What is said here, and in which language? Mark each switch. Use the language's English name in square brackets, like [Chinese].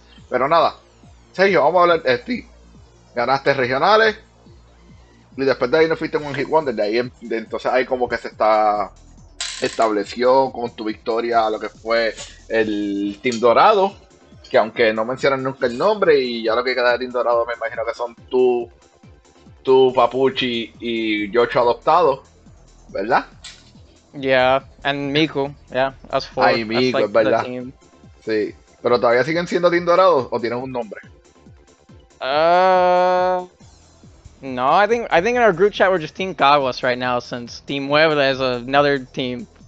[Spanish] Pero nada, Sergio, vamos a hablar de ti. Ganaste regionales, y después de ahí no fuiste en un [English] hit wonder. [Spanish] De ahí entonces ahí como que se está... estableció con tu victoria lo que fue el Team Dorado, que aunque no mencionan nunca el nombre, y ya lo que queda de Team Dorado me imagino que son tú Papuchi y Yocho adoptado, ¿verdad? [English] Yeah, and Miku, yeah, as four. [Spanish] Ay, Miku, like, ¿verdad? Sí, pero todavía siguen siendo Team Dorado o tienen un nombre. [English] No, I think in our group chat we're just Team Caguas right now, since Team Muebla is another team.